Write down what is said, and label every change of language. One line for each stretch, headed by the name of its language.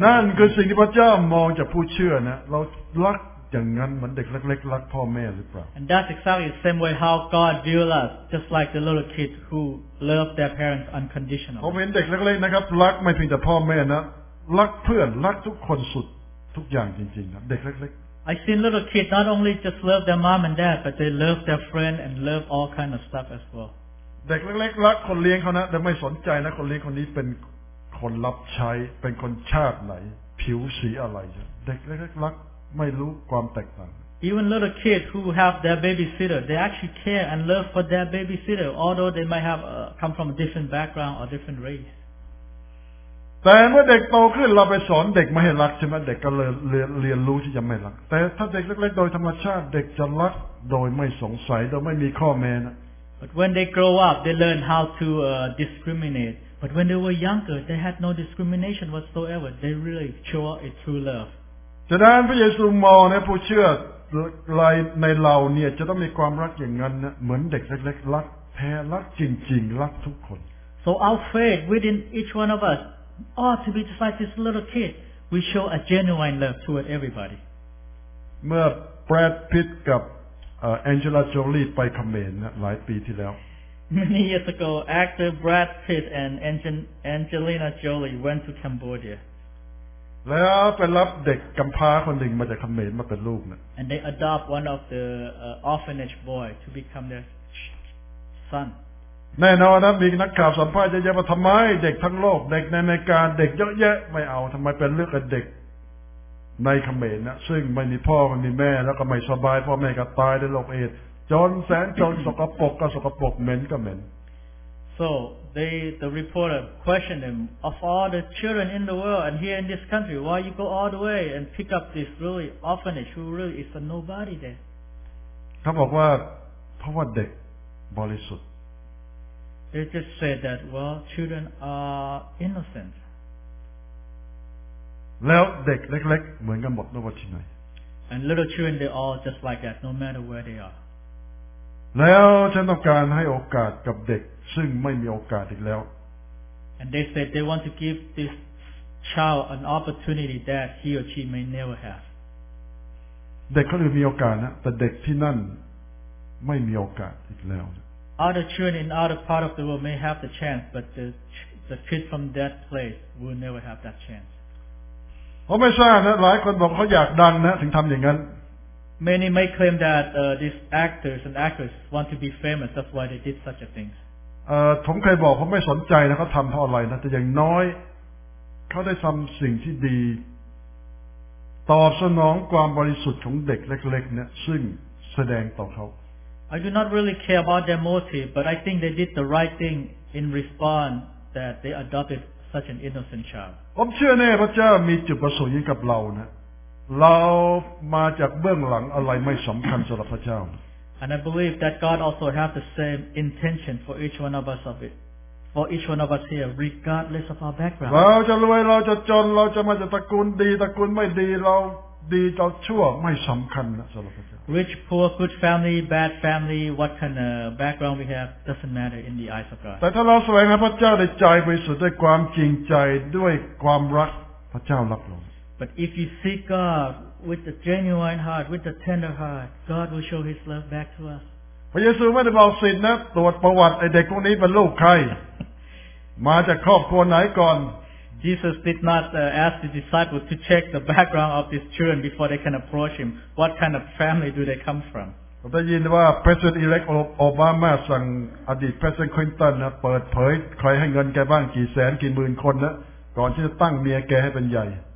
Thai: นั่นคือสิ่งที่พระเจ้ามองจากผู้เชื่อนะเรารักอย่างนั้นเหมือนเด็กเล็กๆรักพ่อแม่หรือเปล่า
English: And that's exactly the same way how God views us just like the little kid who love their parents unconditionally
Thai: ผมเห็นเด็กเล็กๆนะครับรักไม่เพียงแต่พ่อแม่นะรักเพื่อนรักทุกคนสุดทุกอย่างจริงๆนะเด็กเล็กๆ
English: I see little kids not only just love their mom and dad, but they love their friend and love all kind of stuff as well.
Thai: เด็กเล็กๆรักคนเลี้ยงเขานะแต่ไม่สนใจนะคนเลี้ยงคนนี้เป็นคนรับใช้เป็นคนชาติไหนผิวสีอะไรเด็กเล็กๆรักไม่รู้ความแตกต่าง
English: Even little kids who have their babysitter, they actually care and love for their babysitter, although they might have come from a different background or different race.
Thai: แต่เมื่อเด็กโตขึ้นเราไปสอนเด็กไม่ให้รักใช่ไหมเด็กก็เรียนรู้ที่จะไม่รักแต่ถ้าเด็กเล็กๆโดยธรรมชาติเด็กจะรักโดยไม่สงสัยโดยไม่มีข้อแม้นะ
English: But when they grow up they learn how to discriminate but when they were younger they had no discrimination whatsoever they really show a true love
Thai: ฉะนั้นพระเยซูมองในผู้เชื่อในเราเนี่ยจะต้องมีความรักอย่างนั้นนะเหมือนเด็กเล็กๆรักแท้รักจริงๆรักทุกคน
English: So our faith within each one of usOh, to be just like this little kid, we show a genuine love toward everybody.
Thai: เมื่อ Brad Pitt กับ Angela Jolie ไปเขมรหลายปีที่แล้ว
English: Many years ago, actor Brad Pitt and Angelina Jolie went to Cambodia.
Thai: แล้วไปรับเด็กกำพร้าคนหนึ่งมาจากเขมรมาเป็นลูกนะ
English: and they adopt one of the orphanage boy to become their son
Thai: แน่นอนนะมีนักข่าวสัมภาษณ์เยอะๆมาทำไมเด็กทั้งโลกเด็กในอเมริกาเด็กเยอะแยะไม่เอาทำไมเป็นเรื่องกับเด็กในเขมรนะซึ่งไม่มีพ่อไม่มีแม่แล้วก็ไม่สบายพ่อแม่ก็ตายด้วยโรคเอดส์จนแสนจนสกปรกก็สกปรกเหม็นก็เหม็น
English: so the reporter questioned him of all the children in the world and here in this country why you go all the way and pick up this really orphanage who really is a nobody there
Thai: เขาบอกว่าเพราะว่าเด็กบริสุทธิ์
English: they just said that well children are innocent
Thai: แล้วเด็กเล็กๆ เหมือนกันหมดไม่ว่าที่ไหน
English: and little children they all just like that no matter where they are
Thai: แล้วฉันต้องการให้โอกาสกับเด็กซึ่งไม่มีโอกาสอีกแล้ว
English: And they said they want to give this child an opportunity that he or she may never have
Thai: เด็กเขาเลยมีโอกาสนะแต่เด็กที่นั่นไม่มีโอกาสอีกแล้ว
English: Other children in other part of the world may have the chance but the kid from that place will never have that chance
Thai: ผมไม่ทราบนะหลายคนบอกเขาอยากดังนะถึงทำอย่างนั้น
English: Many may claim that these actors and actresses want to be famous. That's why they did such a thing.
Thai: ผมเคยบอกเขาไม่สนใจนะเขาทำเพราะอะไรนะแต่อย่างน้อยเขาได้ทำสิ่งที่ดีตอบสนองความบริสุทธิ์ของเด็กเล็กๆเนี่ยซึ่งแสดงต่อเขา
English: I do not really care about their motive, but I think they did the right thing in response that they adopted such an innocent child.
Thai: ผมเชื่อแน่พระเจ้ามีจุดประสงค์ยิ่งกับเรานะเรามาจากเบื้องหลังอะไรไม่สำคัญสำหรับพระเจ้า
English: And I believe that God also have the same intention for each one of us of it for each one of us here regardless of our background
Thai: เราจะรวยเราจะจนเราจะมาจากตระกูลดีตระกูลไม่ดีเราดีเราชั่วไม่สำคัญนะสำหรับพระเจ้า
English: Rich poor good family bad family what kind of background we have doesn't matter in the eyes of God
Thai: แต่ถ้าเราแสวงหาพระเจ้าด้วยใจบริสุทธิ์ด้วยความจริงใจด้วยความรักพระเจ้ารับเรา
English: But if you seek God with a genuine heart, with a tender heart, God will show His love back to us.
Thai: พระเยซูไม่ได้บอกสิทธิ์นะตรวจประวัติไอ้เด็กคนนี้เป็นลูกใครมาจากครอบครัวไหนก่อน
English: Jesus did not ask the disciples to check the background of these children before they can approach Him. What kind of family do they come from?
Thai: เราได้ยินว่า President-elect Obama สั่งอดีต President Clinton นะเปิดเผยใครให้เงินแกบ้างกี่แสนกี่หมื่นคนนะก่อนที่จะตั้งเมียแกให้เป็นใหญ่